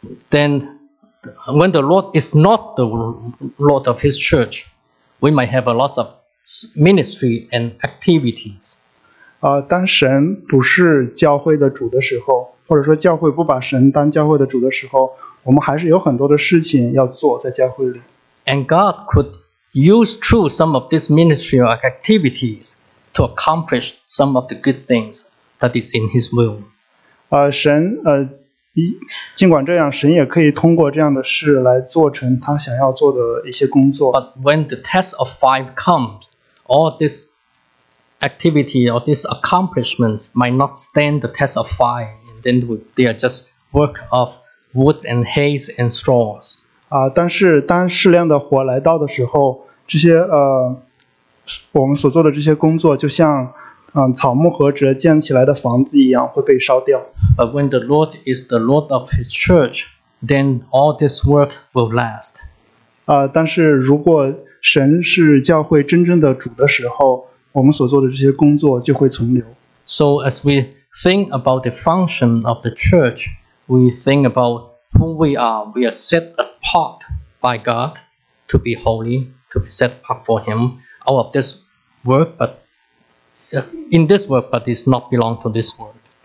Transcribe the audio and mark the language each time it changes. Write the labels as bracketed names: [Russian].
[English] When the Lord is not the Lord of His church, we might have a lot of ministry and activities. [Chinese] 当神不是教会的主的时候，或者说教会不把神当教会的主的时候，我们还是有很多的事情要做在教会里。 [English] And God could. Use through some of these ministry or activities to accomplish some of the good things that is in His will. [Chinese] 神尽管这样，神也可以通过这样的事来做成他想要做的一些工作。 [English] But when the test of fire comes, all this activity or this accomplishment might not stand the test of fire, and then they are just work of wood and hay and straws. [Chinese] 但是当适量的火来到的时候, 这些, 我们所做的这些工作就像, 草木和折建起来的房子一样, 会被烧掉。 [English] But when the Lord is the Lord of His church, then all this work will last. [Chinese] 但是如果神是教会真正的主的时候, 我们所做的这些工作就会存留。 [English] So as we think about the function of the church, we think about who we are. We are set apart by God to be holy, to be set apart for Him out of this world, but in this world, but it's not belong to this world.